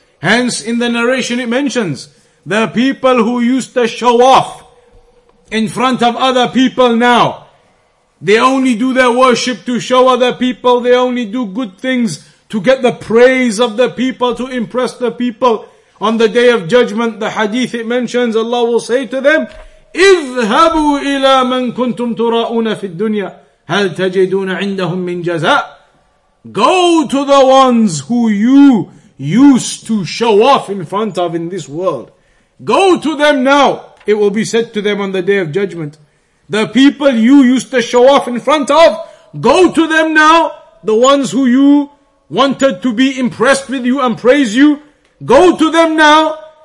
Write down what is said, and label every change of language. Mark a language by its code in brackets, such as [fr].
[en] Hence, in the narration it mentions, the people who used to show off in front of other people now, they only do their worship to show other people, they only do good things to get the praise of the people, to impress the people. On the day of judgment, the hadith it mentions, Allah will say to them, [ar] اذهبوا إلى من كنتم تراؤون في الدنيا هل تجدون عندهم من جزاء. [en] Go to the ones who you used to show off in front of in this world. Go to them now. It will be said to them on the day of judgment. The people you used to show off in front of, go to them now. The ones who you wanted to be impressed with you and praise you, go to them now.